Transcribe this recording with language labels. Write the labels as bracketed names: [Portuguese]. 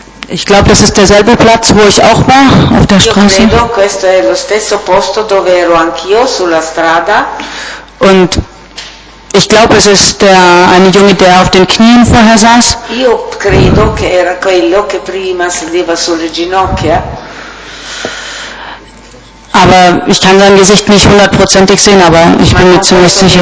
[German] Ich glaube, das ist derselbe Platz, wo ich auch war, auf der Straße. [Italian] Io credo questo è lo stesso posto dove ero anch'io sulla strada. [German] Und ich glaube, es ist der eine Junge, der auf den Knien vorher saß. [Italian] Io credo che era quello che prima sedeva sulle ginocchia. [German] Aber ich kann sein Gesicht nicht hundertprozentig sehen, aber ich bin mir ziemlich sicher.